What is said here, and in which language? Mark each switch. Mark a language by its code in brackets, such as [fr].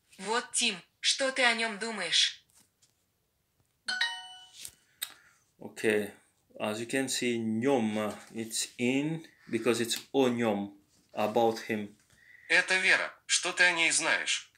[ru] Вот, Тим, что ты о нем думаешь? [en] Okay, as you can see, нём, it's in, because it's [ru] о нём, [en] about him. [ru] Это Вера, что ты о ней знаешь?